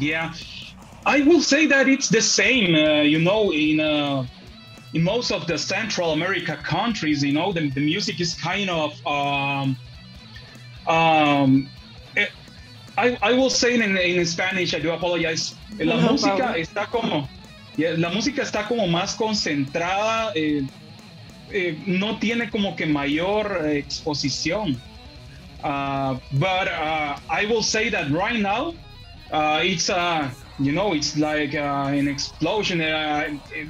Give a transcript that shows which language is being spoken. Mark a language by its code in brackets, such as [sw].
[en] Yeah, I will say that it's the same, you know, in most of the Central America countries, you know, the music is kind of, I will say it in Spanish, I do apologize. [es] La música está como, yeah, la música está como más concentrada, no tiene como que mayor exposición. [en] But I will say that right now, it's like an explosion.